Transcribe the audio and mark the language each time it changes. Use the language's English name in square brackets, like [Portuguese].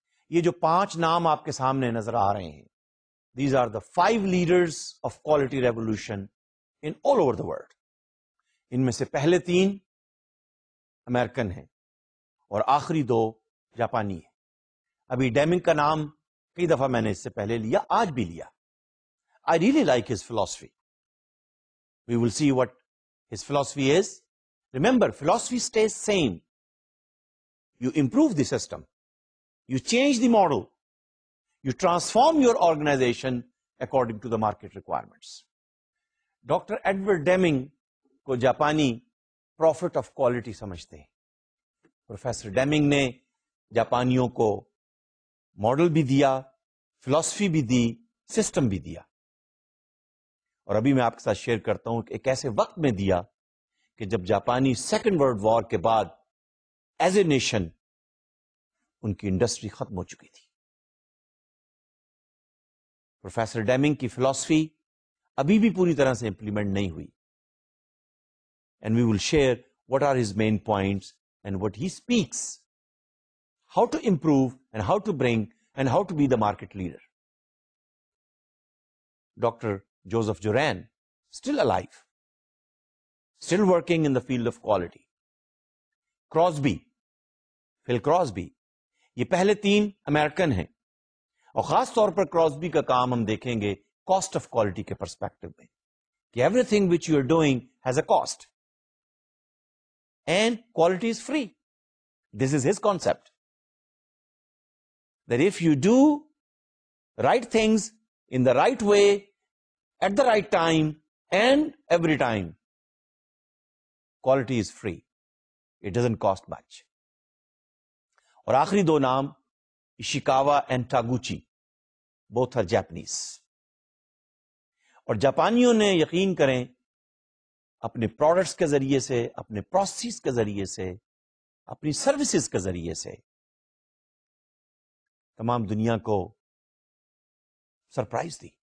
[Urdu] یہ جو پانچ نام آپ کے سامنے نظر آ رہے ہیں, [English] These are the five leaders of quality revolution in all over the world. [Urdu] ان میں سے پہلے تین امریکن ہیں اور آخری دو جاپانی ہیں. ابھی ڈیمنگ کا نام کئی دفعہ میں نے اس سے پہلے لیا, آج بھی لیا. [English] I really like his philosophy. We will see what his philosophy is. Remember, philosophy stays same. You improve the system, you change the model, you transform your organization according to the market requirements. [Urdu] Doctor Edward Deming کو جاپانی prophet of quality سمجھتے ہیں. Professor Deming نے جاپانیوں کو model بھی دیا, فلسفی بھی دی, سسٹم بھی دیا. اور ابھی میں آپ کے ساتھ شیئر کرتا ہوں کہ ایک ایسے وقت میں دیا کہ جب جاپانی سیکنڈ ورلڈ وار کے بعد [English] as a nation [Urdu] ان کی انڈسٹری ختم ہو چکی تھی. پروفیسر ڈیمنگ کی فلسفی ابھی بھی پوری طرح سے امپلیمنٹ نہیں ہوئی. [English] And we will share what are his main points and what he speaks, how to improve and how to bring and how to be the market leader. Doctor Joseph Juran still alive, still working in the field of quality. [Urdu] کراسبی, فل کراسبی, یہ پہلے تین American ہیں. اور خاص طور پر کراسبی کا کام ہم دیکھیں گے [English] cost of quality [Urdu] کے پرسپیکٹو میں, کہ [English] everything which you are doing has a cost and quality is free. This is his concept that if you do right things in the right way at the right time and every time, quality is free, it doesn't cost much. [Urdu] اور آخری دو نام Ishikawa and Taguchi, [English] both are Japanese. [Urdu] اور جاپانیوں نے یقین کریں اپنے products کے ذریعے سے, اپنے پروسیس کے ذریعے سے, اپنی سروسز کے ذریعے سے تمام دنیا کو سرپرائز دی.